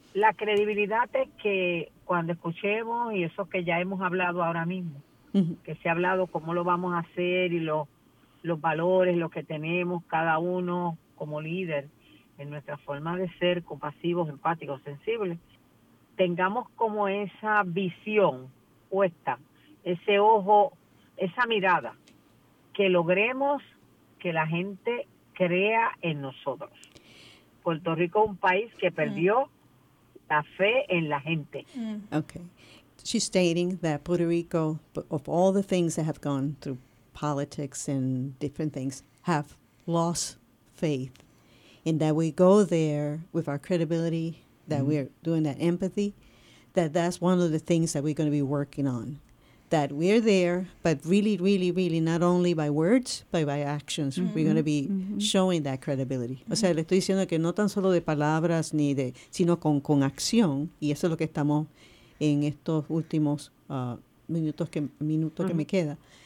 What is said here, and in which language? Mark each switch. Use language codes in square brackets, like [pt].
[es] La credibilidad es que cuando escuchemos, y eso que ya hemos hablado ahora mismo, que se ha hablado cómo lo vamos a hacer y los valores, lo que tenemos cada uno como líder en nuestra forma de ser compasivos, empáticos, sensibles, tengamos como esa visión puesta, ese ojo, esa mirada, que logremos que la gente crea en nosotros. Puerto Rico es un país que perdió la fe en la gente. [en] Okay. She's stating that Puerto Rico, of all the things that have gone through politics and different things, have lost faith. And that we go there with our credibility, that we're doing that empathy, that's one of the things that we're going to be working on. That we're there, but really, really, really, not only by words, but by actions. Mm-hmm. We're going to be showing that credibility. [es] Mm-hmm. O sea, le estoy diciendo que no tan solo de palabras, ni de, sino con acción. Y eso es lo que estamos en estos últimos minutos que me queda.